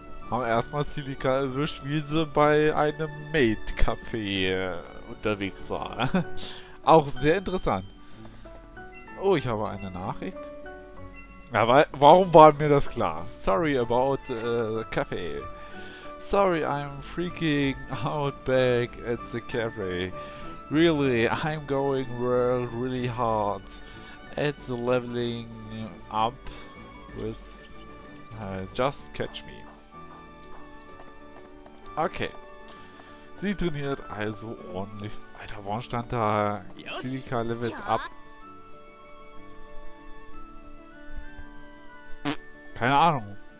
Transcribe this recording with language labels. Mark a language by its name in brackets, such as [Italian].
[German] Haben erstmal Silica erwischt, wie sie bei einem Maid-Café unterwegs war. Auch sehr interessant. Oh, ich habe eine Nachricht. Aber warum war mir das klar? [English] Sorry about Café. Sorry, I'm freaking out back at the cafe. Really, I'm going really hard at the leveling up with just catch me. Okay. [German] Sie trainiert also ordentlich. Alter, warum stand da Silica Levels ab? Keine Ahnung.